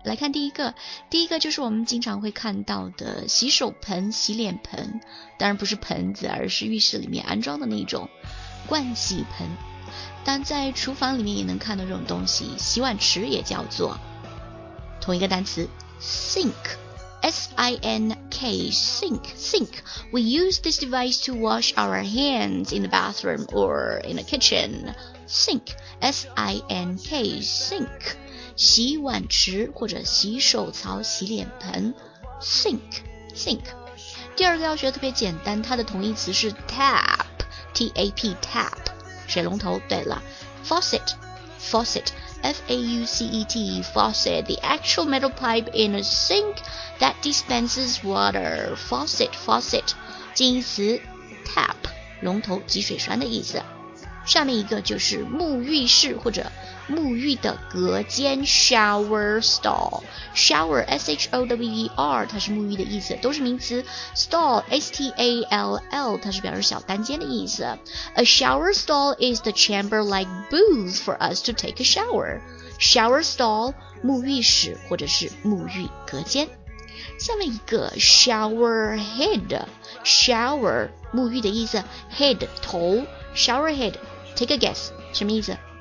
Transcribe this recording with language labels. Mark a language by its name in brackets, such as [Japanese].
[Chinese] 来看第一个，第一个就是我们经常会看到的洗手盆、洗脸盆，当然不是盆子，而是浴室里面安装的那种盥洗盆。但在厨房里面也能看到这种东西，洗碗池也叫做，同一个单词 sink。 [English] S-I-N-K, sink, sink. We use this device to wash our hands in the bathroom or in the kitchen. Sink, S-I-N-K, sink. [Chinese] 洗碗池或者洗手槽、洗脸盆 Sink, sink. 第二个要学特别简单，它的同义词是 tap, T-A-P, tap. 水龙头，对了。 [English] Faucet, faucet. F-A-U-C-E-T, faucet, the actual metal pipe in a sink that dispenses water. [Chinese] Faucet, faucet, 近义词 tap, 龙头及水栓的意思。下面一个就是沐浴室或者沐浴的隔间 shower stall. Shower, S-H-O-W-E-R, 它是沐浴的意思，都是名词。 Stall, S-T-A-L-L, 它是表示小单间的意思。 [English] A shower stall is the chamber-like booth for us to take a shower. [Chinese] Shower stall, 沐浴室或者是沐浴隔间。下面一个 shower head, shower, 沐浴的意思。 Head, 头。 [English] Shower head, take a guess, [Chinese] 什么意思？